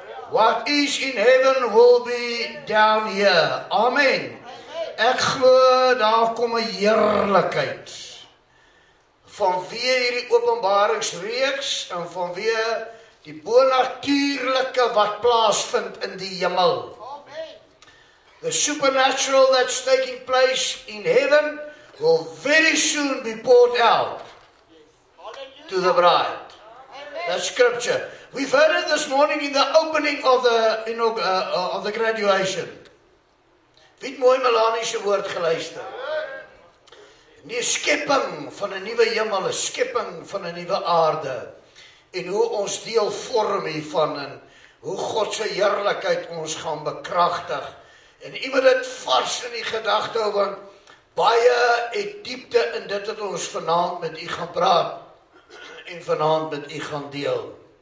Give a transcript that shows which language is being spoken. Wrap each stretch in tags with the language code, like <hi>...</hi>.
<en>What is in heaven will be down here. Amen.</en> <af>Ek glo daar kom 'n heerlikheid. Vanweë hierdie openbaringsreeks en vanweë die bonatuurlike wat plaasvind in die hemel.</af> <en>The supernatural that's taking place in heaven will very soon be poured out to the bride. That scripture. We've heard it this morning in the opening of the, you know, of the graduation.</en> <af>Wie het mooi Melanie se woord geluister? Die skepping van 'n nuwe hemel, 'n skepping van 'n nuwe aarde. En hoe ons deel vorm hiervan en hoe God se heerlikheid ons gaan bekragtig. En iemand het vars in die gedagte hou want baie het diepte in dit wat ons vanaand met u gaan praat en vanaand met u gaan deel.</af>